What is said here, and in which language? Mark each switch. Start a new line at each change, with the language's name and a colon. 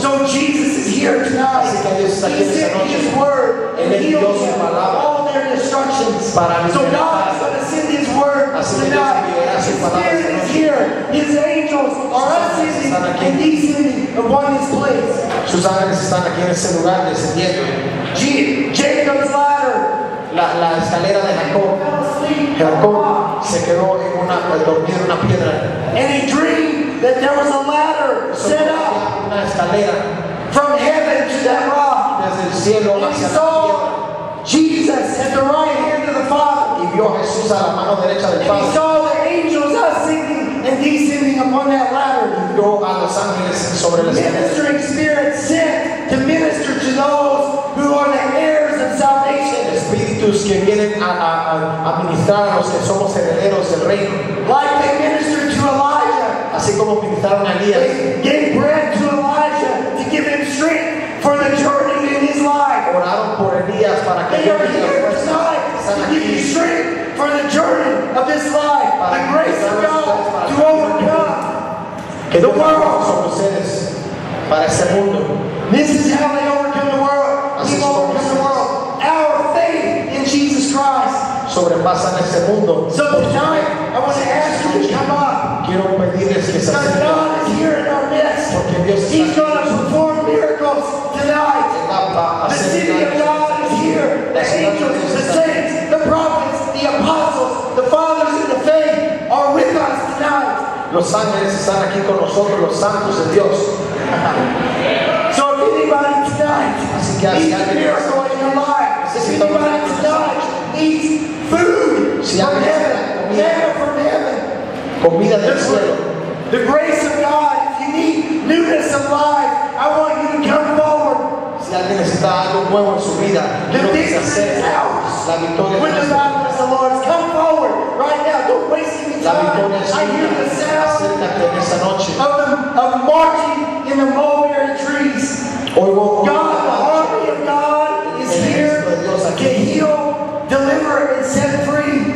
English: So Jesus is here tonight. He sent His word and healed all their destructions.
Spanish: Para
English: so God is going to send His word
Spanish: así
English: tonight. His Spirit is here. His angels are ascending and descending upon His place.
Spanish: Sus ángeles están aquí en ese lugar descendiendo.
English: Jacob's ladder.
Spanish: La escalera de Jacob. Jacob se quedó en una, dormir en una piedra.
English: And he dreamed that there was a ladder set up
Spanish: una escalera
English: from heaven to that rock.
Spanish: Desde el cielo
English: and
Spanish: hacia
English: he saw
Spanish: la
English: Jesus at the right hand of the Father.
Spanish: Y vio a Jesús a la mano derecha del
English: and
Spanish: Padre.
English: He saw the angels not sinking and descending upon that ladder. Ministering Spirit sent to minister to those who are the heirs of salvation.
Spanish: Espíritus que vienen a administrar a los que somos herederos del reino.
English: Like they ministered to Elijah.
Spanish: Así como ministraron a Elías.
English: Gave bread to Elijah to give him strength for the journey in his life.
Spanish: Oraron por Elías para que
English: they are here tonight to give you strength for the journey of this life. The grace of God to overcome the world.
Spanish: Para este mundo.
English: This is how they overcome the world. Así he overcome the world. Our faith in Jesus Christ.
Spanish: Sobrepasa en este mundo.
English: So tonight, I want to ask you to come up.
Spanish: Quiero pedirles que
English: because
Spanish: se
English: God is here in our midst.
Spanish: Porque Dios
English: está. He's going to perform miracles tonight. The city of God is here. The angels, the saints, the prophets, the apostles, the fathers in the faith are with us tonight.
Spanish: Los ángeles están aquí con nosotros, los santos de Dios.
English: So if anybody tonight needs a miracle in your life, if anybody tonight needs food from heaven, manna from heaven,
Spanish: comida del cielo,
English: the grace of God, if you need newness of life, I want you to come forward.
Spanish: Si alguien necesita algo nuevo en su vida,
English: the victory is ours. With the battle of the Lord, come forward right now. Don't waste any time. I hear the sound of marching in the mulberry trees. God, the army of God is here to heal, deliver, and set free.